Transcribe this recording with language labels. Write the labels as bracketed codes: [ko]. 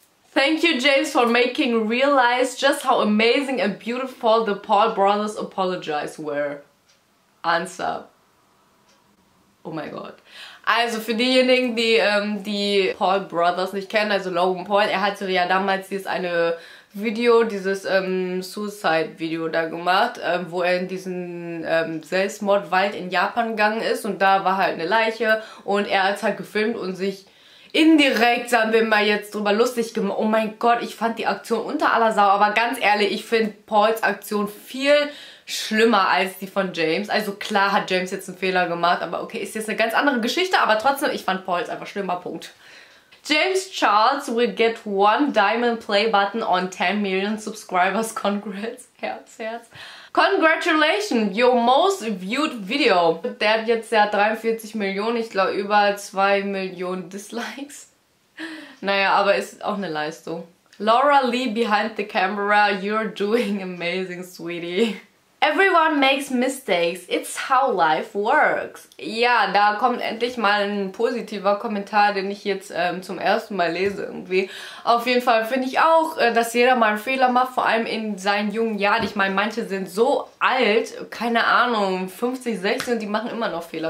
[en] Thank you, James, for making realize just how amazing and beautiful the Paul brothers apologize were. Answer. [de] Oh mein Gott. Also für diejenigen, die die Paul Brothers nicht kennen, also Logan Paul, er hatte ja damals dieses eine Video, dieses Suicide-Video da gemacht, wo er in diesen Selbstmordwald in Japan gegangen ist und da war halt eine Leiche und er hat halt gefilmt und sich indirekt, sagen wir mal jetzt, drüber lustig gemacht. Oh mein Gott, ich fand die Aktion unter aller Sau, aber ganz ehrlich, ich finde Pauls Aktion viel schlimmer als die von James. Also klar hat James jetzt einen Fehler gemacht, aber okay, ist jetzt eine ganz andere Geschichte, aber trotzdem, ich fand Pauls einfach schlimmer, Punkt. [en] James Charles will get one diamond play button on 10 million subscribers. Congrats. [de] Herz, Herz. [en] Congratulations, your most viewed video. [de] Der hat jetzt ja 43 Millionen, ich glaube über 2 Millionen Dislikes. Naja, aber es ist auch eine Leistung. [en] Laura Lee behind the camera, you're doing amazing, sweetie. Everyone makes mistakes, it's how life works. [de] Ja, da kommt endlich mal ein positiver Kommentar, den ich jetzt zum ersten Mal lese irgendwie. Auf jeden Fall finde ich auch, dass jeder mal einen Fehler macht, vor allem in seinen jungen Jahren. Ich meine, manche sind so alt, keine Ahnung, 50, 60 und die machen immer noch Fehler.